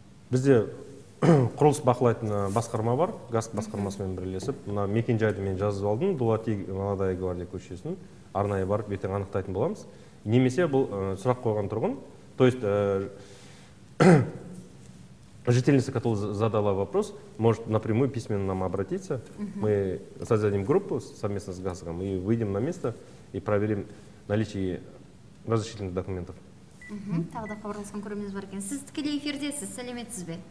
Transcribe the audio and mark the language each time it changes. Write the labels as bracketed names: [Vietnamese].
[Kazakh] Бізде құрылыс бақылайтын басқарма бар, газ басқармасымен бірлесіп, мына мекенжайды мен жазып алдым, Дулати Молодая гвардия көшесін, арнайы барып, бетін анықтайтын боламыз. Немесе бұл сұрақ қойған тұрғын, [Russian] то есть жительница, которая задала вопрос, может напрямую письменно нам обратиться, мы создадим группу совместно с ГАЗом и выйдем на место и проверим наличие разрешительных документов. [Kazakh] Тогда хабарласқан көрерменіз бар екен. Сіз тікелей эфирдесіз, сәлеметсіз бе?